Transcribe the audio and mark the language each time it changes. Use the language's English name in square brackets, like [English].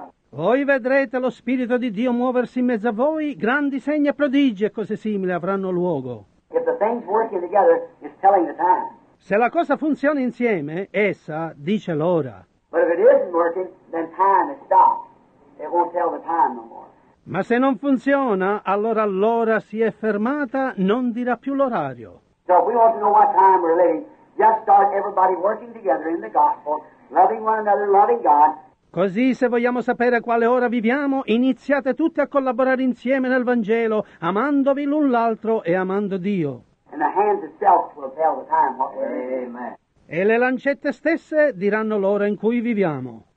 [Italian] Voi vedrete lo Spirito di Dio muoversi in mezzo a voi, grandi segni e prodigi e cose simili avranno luogo. [English] If the things working together is telling the time. [Italian] Se la cosa funziona insieme, essa dice l'ora. [English] But if it isn't working, then time is stopped. It won't tell the time no more. [Italian] Ma se non funziona, allora l'ora si è fermata, non dirà più l'orario. [English] So if we want to know what time we're living, just start everybody working together in the gospel, loving one another, loving God. [Italian] Così, se vogliamo sapere quale ora viviamo, iniziate tutti a collaborare insieme nel Vangelo, amandovi l'un l'altro e amando Dio. [English] And the hands itself will tell the time what we're living. Amen. [Italian] E le lancette stesse diranno l'ora in cui viviamo.